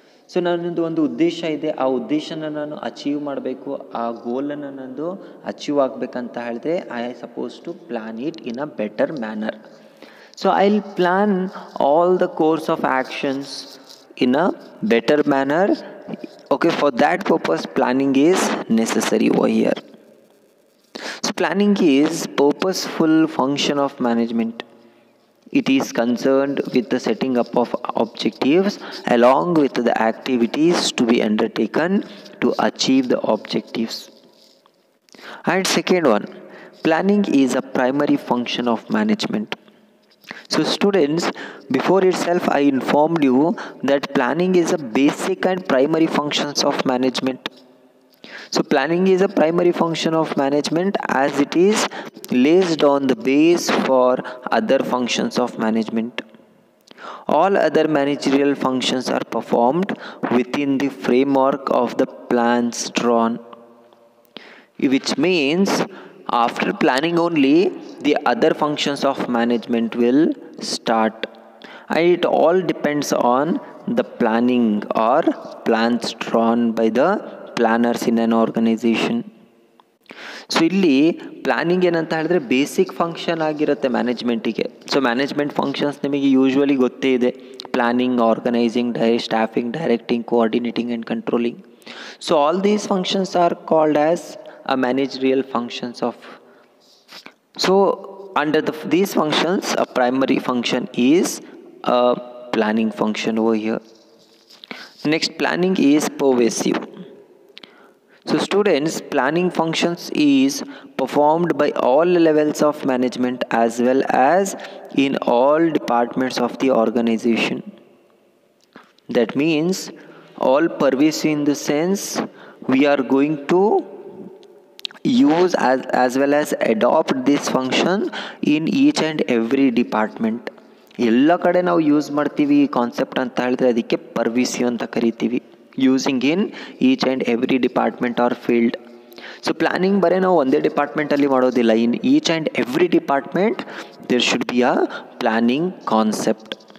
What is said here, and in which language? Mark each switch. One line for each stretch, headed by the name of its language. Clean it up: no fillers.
Kannada: So ನನ್ನದು ಒಂದು ಉದ್ದೇಶ ಇದೆ, ಆ ಉದ್ದೇಶನ ನಾನು ಅಚೀವ್ ಮಾಡಬೇಕು, ಆ ಗೋಲನ್ನು ನಂದು ಅಚೀವ್ ಆಗಬೇಕಂತ ಹೇಳಿದ್ರೆ,
English: I uh suppose to plan it in a better manner. So I will plan all the course of actions in a better manner. Okay, for that purpose planning is necessary oh here. Planning is purposeful function of management. It is concerned with the setting up of objectives along with the activities to be undertaken to achieve the objectives. And second one, planning is a primary function of management. So students, before itself I informed you that planning is a basic and primary functions of management. So planning is a primary function of management as it is lays down the base for other functions of management. All other managerial functions are performed within the framework of the plans drawn, which means after planning only the other functions of management will start, and it all depends on the planning or plans drawn by the planners in an organization.
Kannada: So ಇಲ್ಲಿ planning ಏನಂತ ಹೇಳಿದ್ರೆ basic function ಆಗಿರುತ್ತೆ ಮ್ಯಾನೇಜ್ಮೆಂಟಿಗೆ. So management functions ನಿಮಗೆ usually ಗೊತ್ತೇ ಇದೆ, planning, organising, staffing, directing, coordinating and controlling.
English: So all these functions are called as a managerial functions of. So under these functions a primary function is a planning function oh here. Next, planning is pervasive. So students, planning functions is performed by all levels of management as well as in all departments of the organization. That means all pervasive in the sense we are going to use as well as adopt this function in each and every department.
Kannada: ಎಲ್ಲ ಕಡೆ ನಾವು use ಮಾಡ್ತೀವಿ ಈ concept ಅಂತ ಹೇಳಿದ್ರೆ ಅದಕ್ಕೆ ಪರ್ವಿಸಿ ಅಂತ ಕರಿತೀವಿ.
English: Using in each and every department or field. So
Kannada: planning bare na onde department alli madodilla,
English: in each and every department there should be a planning concept.